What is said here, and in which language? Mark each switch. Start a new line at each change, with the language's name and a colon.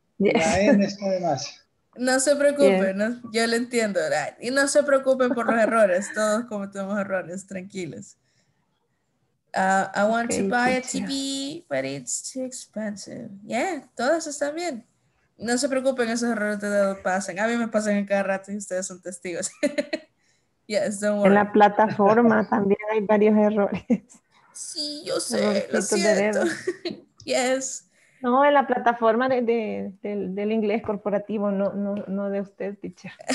Spanish: No se preocupen, yeah. No, yo lo entiendo, ¿verdad? Y no se preocupen por los errores, todos cometemos errores, tranquilos.
English: I want okay, to buy a TV, but it's too expensive.
Spanish: Yeah, todos están bien. No se preocupen, esos errores de dedo pasan. A mí me pasan cada rato y ustedes son testigos.
English: Yes, don't worry.
Spanish: En la plataforma también hay varios errores. Sí, yo sé, lo siento. De dedo. Yes. No, en la plataforma del inglés corporativo, no de usted, teacher.